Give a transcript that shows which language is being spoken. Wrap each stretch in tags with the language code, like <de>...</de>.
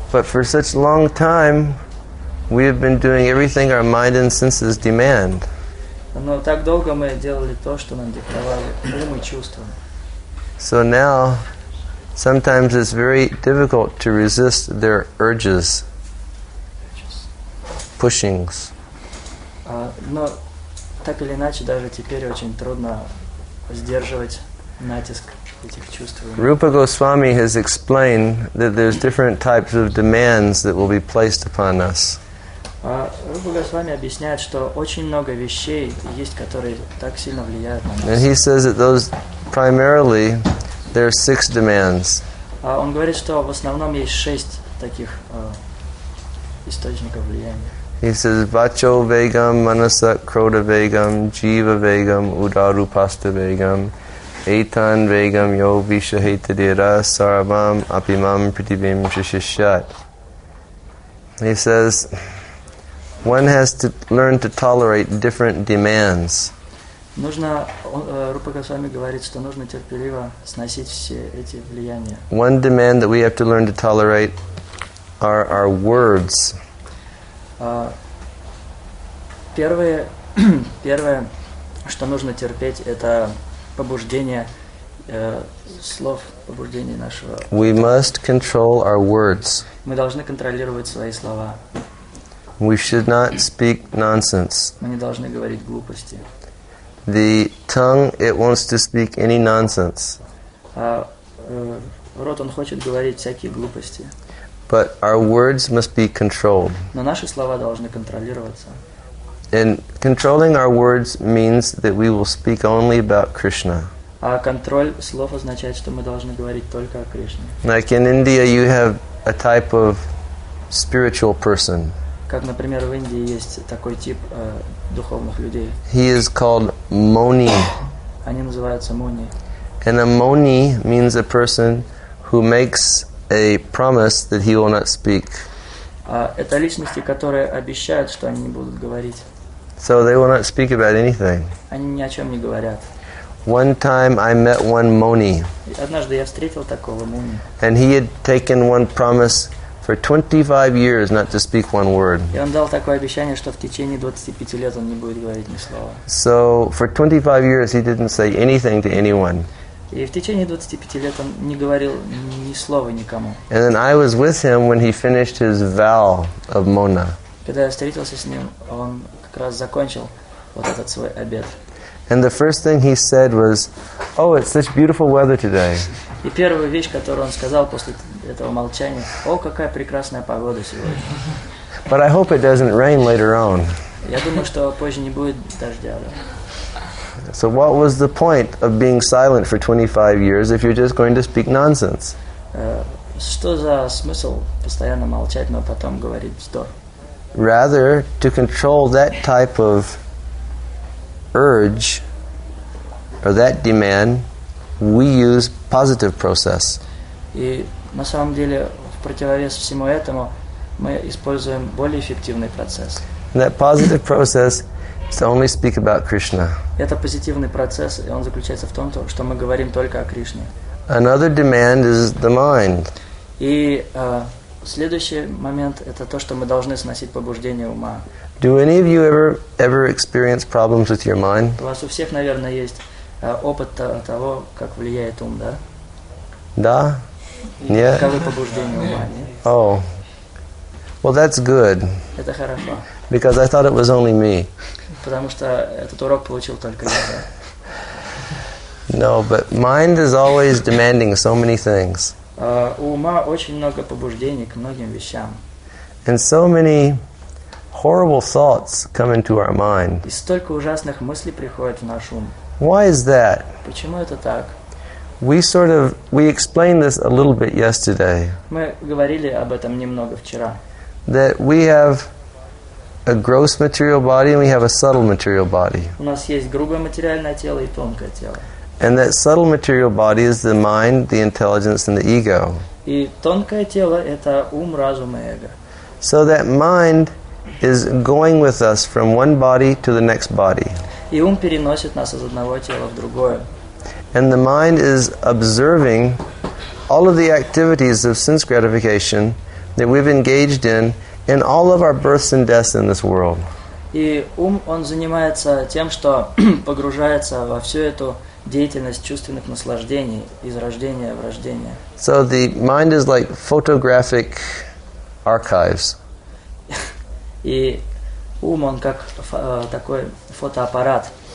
<en>But for such a long time, we have been doing everything our mind and senses demand.</en> <ru>Но так долго мы делали то, что нам диктовали ум и чувства.</ru> <en>So now, sometimes it's very difficult to resist their urges, pushings.</en> <ru>Но так или иначе, даже теперь очень трудно сдерживать натиск этих чувств.</ru> <en>Rupa Goswami has explained that there's different types of demands that will be placed upon us.</en> <ru>Рупа Госвами объясняет, что очень много вещей есть, которые так сильно влияют на нас.</ru> <en>And he says that those primarily there are six demands.</en> <ru>Он говорит, что в основном есть шесть таких источников влияния.</ru> <en>He says</en> <sa>vacho vegam, manasa krodha vegam, jiva vegam, udarupasta vegam, etan vegam, yo vishahetadira, sarvam, apimam, pritivim, shishishat.</sa> <en>He says one has to learn to tolerate different demands.</en> <ru>Рупа Госвами говорит, что нужно терпеливо сносить все эти влияния.</ru> <en>One demand that we have to learn to tolerate are our words.</en> <ru>Первое, что нужно терпеть, это побуждение слов, побуждение нашего.</ru> <en>We must control our words.</en> <ru>Мы должны контролировать свои слова.</ru> <en>We should not speak nonsense.</en> <ru>Мы не должны говорить глупости.</ru> <en>The tongue, it wants to speak any nonsense.</en> <ru>Рот, он хочет говорить всякие глупости.</ru> <en>But our words must be controlled.</en> <ru>Но наши слова должны контролироваться.</ru> <en>And controlling our words means that we will speak only about Krishna.</en> <ru>А контроль слов означает, что мы должны говорить только о Кришне.</ru> <en>Like in India, you have a type of spiritual person.</en> <ru>Как, например, в Индии есть такой тип духовных людей.</ru> <en>He is called Moni.</en> <ru>Они называются Moni.</ru> <en>And a Moni means a person who makes a promise that he will not speak.</en> <ru>Это личности, которые обещают, что они не будут говорить.</ru> <en>So they will not speak about anything.</en> <ru>Они ни о чем не говорят.</ru> <en>One time I met one Moni.</en> <ru>Однажды я встретил такого Moni.</ru> <en>And he had taken one promise for 25 years not to speak one word.</en> <ru>И он дал такое обещание, что в течение 25 лет он не будет говорить ни слова.</ru> <en>So for 25 years he didn't say anything to anyone.</en> <ru>И в течение 25 лет он не говорил ни слова никому.</ru> <en>And then I was with him when he finished his vow of Mona.</en> <ru>Когда я встретился с ним, он как раз закончил вот этот свой обет.</ru> <en>And the first thing he said was, "Oh, it's such beautiful weather today."</en> <ru>И первая вещь, которую он сказал после этого молчания: «О, какая прекрасная погода сегодня!»</ru> <en>But I hope it doesn't rain later on.</en> <ru>Я думаю, что позже не будет дождя. Да?</ru> <en>So what was the point of being silent for 25 years if you're just going to speak nonsense?</en> <ru>Что за смысл постоянно молчать, но потом говорить вздор?</ru> <en>Rather, to control that type of urge or that demand, we use positive process.</en> <ru>И на самом деле, в противовес всему этому, мы используем более эффективный процесс.</ru> <en>And that positive process is to only speak about Krishna.</en> <ru>Это позитивный процесс, и он заключается в том, что мы говорим только о Кришне.</ru> <en>Another demand is the mind.</en> <ru>И следующий момент – это то, что мы должны сносить побуждение ума.</ru> <en>Do any of you ever experience problems with your mind?</en> <ru>У вас у всех, наверное, есть опыт того, как влияет ум, да? Да? Нет? Каковы побуждения ума, нет?</ru> <en>Oh. Well, that's good.</en> <ru>Это хорошо.</ru> <en>Because I thought it was only me.</en> <ru>Потому что этот урок получил только я, да?</ru> <en>No, but mind is always demanding so many things.</en> <ru>У ума очень много побуждений к многим вещам.</ru> <en>And so many horrible thoughts come into our mind.</en> <ru>И столько ужасных мыслей приходит в наш ум.</ru> <en>Why is that?</en> <ru>Почему это так?</ru> <en>We explained this a little bit yesterday.</en> <ru>Мы говорили об этом немного вчера.</ru> <en>That we have a gross material body and we have a subtle material body.</en> <ru>У нас есть грубое материальное тело и тонкое тело.</ru> <en>And that subtle material body is the mind, the intelligence, and the ego.</en> <ru>И тонкое тело – это ум, разум и эго.</ru> <en>So that mind is going with us from one body to the next body.</en> <ru>И ум переносит нас из одного тела в другое.</ru> <en>And the mind is observing all of the activities of sense gratification that we've engaged in all of our births and deaths in this world.</en> <ru>И ум, он занимается тем, что погружается во всю эту деятельность чувственных наслаждений из рождения в рождение.</ru> <en>So the mind is like photographic archives.</en> <ru>И ум, он как такой фотоаппарат.</ru>